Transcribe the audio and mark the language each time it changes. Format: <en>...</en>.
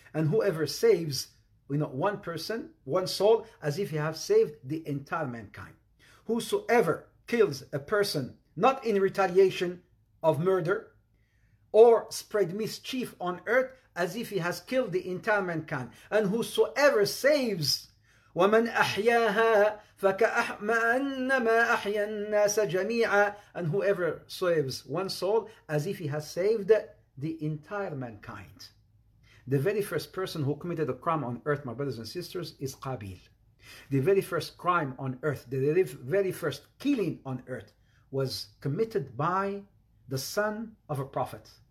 <en>And whoever saves, you know, one person, one soul, as if he has saved the entire mankind. Whosoever kills a person, not in retaliation of murder, or spread mischief on earth, as if he has killed the entire mankind. And whosoever saves,</en> <ar>وَمَنْ أَحْيَاهَا فَكَأَحْمَأَنَّمَا أَحْيَا النَّاسَ جَمِيعًا.</ar> <en>And whoever saves one soul, as if he has saved the entire mankind. The very first person who committed a crime on earth, my brothers and sisters, is Qabil. The very first crime on earth, the very first killing on earth, was committed by the son of a prophet.</en>